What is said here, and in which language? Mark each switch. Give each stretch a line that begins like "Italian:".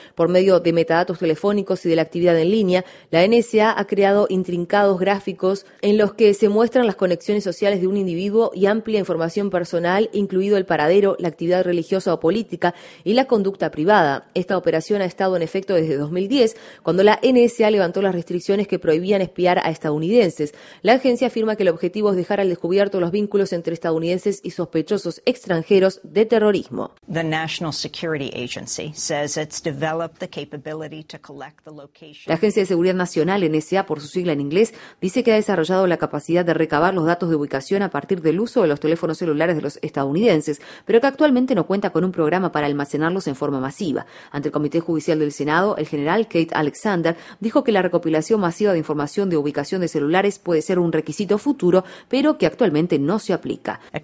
Spanish: Por medio de metadatos telefónicos y de la actividad en línea, la NSA ha creado intrincados gráficos en los que se muestran las conexiones sociales de un individuo y amplia información personal, incluido el paradero, la actividad religiosa o política y la conducta privada. Esta operación ha estado en efecto desde 2010, cuando la NSA levantó las restricciones que prohibían espiar a estadounidenses. La agencia afirma que el objetivo es dejar al descubierto los vínculos entre estadounidenses y sospechosos extranjeros de terrorismo.
English: The National Security Agency says it's developed the capability to collect the location.
Spanish: La Agencia de Seguridad Nacional, NSA por su sigla en inglés, dice que ha desarrollado la capacidad de recabar los datos de ubicación a partir del uso de los teléfonos celulares de los estadounidenses, pero que actualmente no cuenta con un programa para almacenarlos en forma masiva. Ante el Comité Judicial del Senado, Senado, el general Keith Alexander, dijo que la recopilación masiva de información de ubicación de celulares puede ser un requisito futuro, pero que actualmente no se aplica.